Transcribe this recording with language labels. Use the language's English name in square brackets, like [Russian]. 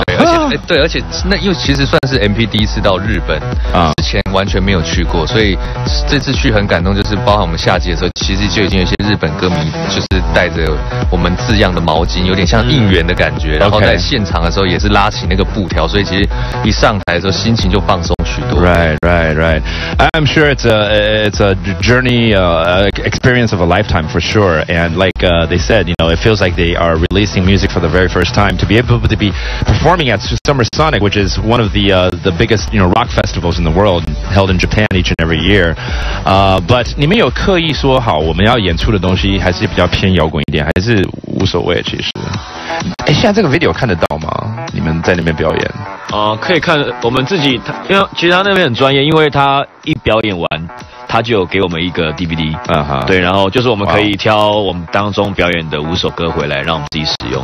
[Chinese] 了。对，而且、对，而且那又其实算是 MP 第一次到日本啊，之前完全没有去过，所以这次去很感动，就是包含我们下集的时候，其实就已经有一些日本歌迷就是带着我们字样的毛巾，有点像应援的感觉，然后在现场的时候也是拉起那个布条，所以其实一上台的时候心情就放松许多。 [English] I'm sure it's a journey, experience of a lifetime for sure. And like they said, you know, it feels like they are releasing music for the very first time. To be able to be performing at Summer Sonic, which is one of the biggest, you know, rock festivals in the world, held in Japan each and every year. [Chinese] But 你们有刻意说好我们要演出的东西还是比较偏摇滚一点，还是无所谓其实？哎，现在这个 video 看得到吗？你们在那边表演？可以看我们自己，因为其实他那边很专业，因为他一表演完，他就有给我们一个 DVD， 嗯哼，对，然后就是我们可以挑我们当中表演的五首歌回来，让我们自己使用。